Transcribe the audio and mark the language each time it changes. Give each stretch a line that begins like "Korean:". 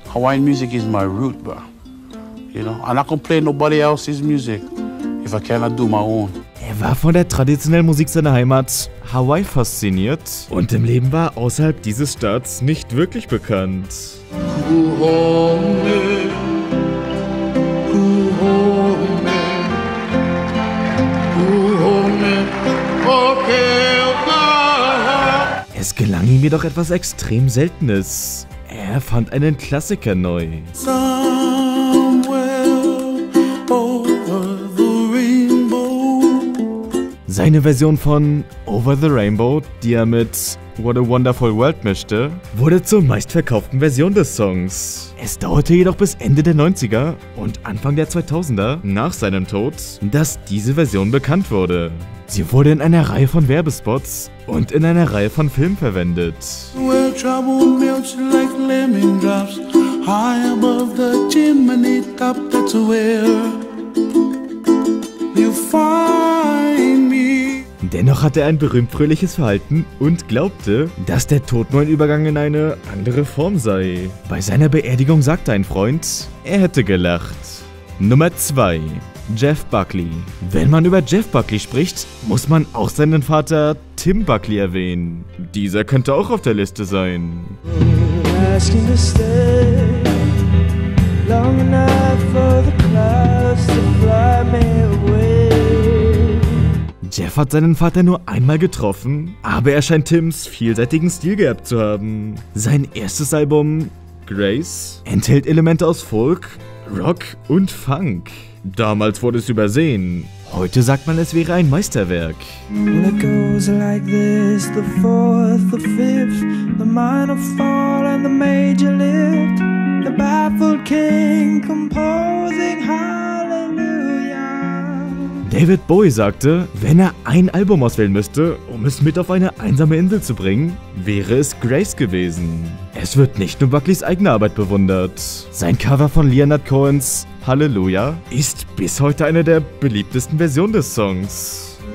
English: Hawaiian music is my root, bro. You know, and I can play nobody else's music if I cannot do my own.
German: Er war von der traditionellen Musik seiner Heimat Hawaii fasziniert und im Leben war außerhalb dieses Staats nicht wirklich bekannt. Es gelang ihm jedoch etwas extrem Seltenes. Er fand einen Klassiker neu. Seine Version von Over the Rainbow, die er mit What a Wonderful World mischte, wurde zur meistverkauften Version des Songs. Es dauerte jedoch bis Ende der 90er und Anfang der 2000er, nach seinem Tod, dass diese Version bekannt wurde. Sie wurde in einer Reihe von Werbespots und in einer Reihe von Filmen verwendet.
English: Well, trouble melts like lemon drops, high above the chimney top, that's where you find me.
German: Dennoch hatte er ein berühmt-fröhliches Verhalten und glaubte, dass der Tod nur ein Übergang in eine andere Form sei. Bei seiner Beerdigung sagte ein Freund, er hätte gelacht. Nummer 2. Jeff Buckley. Wenn man über Jeff Buckley spricht, muss man auch seinen Vater Tim Buckley erwähnen. Dieser könnte auch auf der Liste sein. Jeff hat seinen Vater nur einmal getroffen, aber er scheint Tims vielseitigen Stil geerbt zu haben. Sein erstes Album, Grace, enthält Elemente aus Folk, Rock und Funk. Damals wurde es übersehen. Heute sagt man, es wäre ein Meisterwerk.
English: Well, it goes like this, the fourth, the fifth, the minor fall and the major lift, the baffled king composing hallelujah.
German: David Bowie sagte, wenn er ein Album auswählen müsste, um es mit auf eine einsame Insel zu bringen, wäre es Grace gewesen. Es wird nicht nur Buckleys eigene Arbeit bewundert. Sein Cover von Leonard Cohens Hallelujah ist bis heute eine der beliebtesten Versionen des Songs.